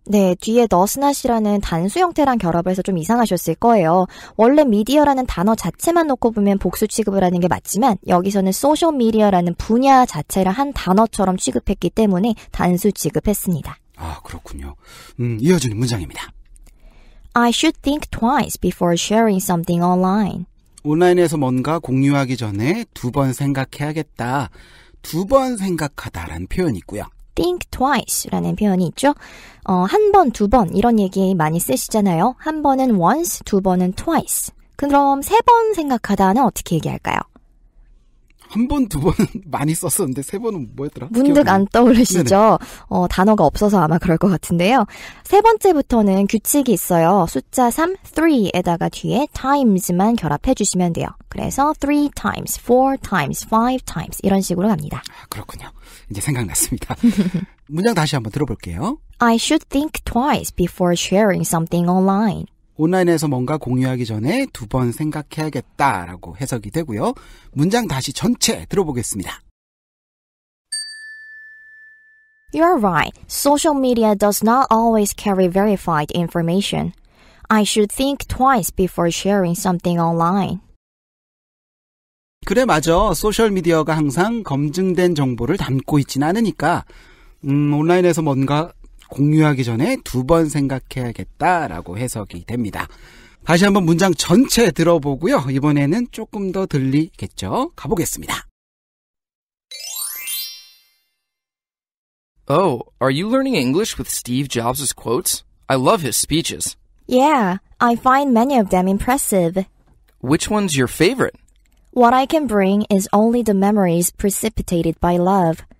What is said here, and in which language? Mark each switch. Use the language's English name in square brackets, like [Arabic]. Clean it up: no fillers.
[Korean] 네, 뒤에 does not이라는 단수 형태랑 결합을 해서 좀 이상하셨을 거예요. 원래 미디어라는 단어 자체만 놓고 보면 복수 취급을 하는 게 맞지만 여기서는 social media라는 분야 자체를 한 단어처럼 취급했기 때문에 단수 취급했습니다. 아, 그렇군요. 이어지는 문장입니다. [English] I should think twice before sharing something online. [Korean] 온라인에서 뭔가 공유하기 전에 두 번 생각해야겠다. 두 번 생각하다라는 표현이 있고요. Think twice라는 표현이 있죠. 한 번, 두 번 이런 얘기 많이 쓰시잖아요. 한 번은 once, 두 번은 twice. 그럼 세 번 생각하다는 어떻게 얘기할까요? 한 번, 두 번은 많이 썼었는데 세 번은 뭐였더라? 문득 안 떠오르시죠? 단어가 없어서 아마 그럴 것 같은데요. 세 번째부터는 규칙이 있어요. 숫자 3, 3에다가 뒤에 times만 결합해 주시면 돼요. 그래서 [English] 3 times, 4 times, 5 times [Korean] 이런 식으로 갑니다. 아, 그렇군요. 이제 생각났습니다. 문장 다시 한번 들어볼게요. [English] I should think twice before sharing something online. [Korean] 온라인에서 뭔가 공유하기 전에 두 번 생각해야겠다라고 해석이 되고요. 문장 다시 전체 들어보겠습니다. [English] You're right. Social media does not always carry verified information. I should think twice before sharing something online. [Korean] 그래, 맞아. 소셜미디어가 항상 검증된 정보를 담고 있진 않으니까 온라인에서 뭔가 공유하기 전에 두 번 생각해야겠다라고 해석이 됩니다. 다시 한번 문장 전체 들어보고요. 이번에는 조금 더 들리겠죠? 가보겠습니다. [English] Oh, are you learning English with Steve Jobs' quotes? I love his speeches. Yeah, I find many of them impressive. Which one's your favorite? What I can bring is only the memories precipitated by love.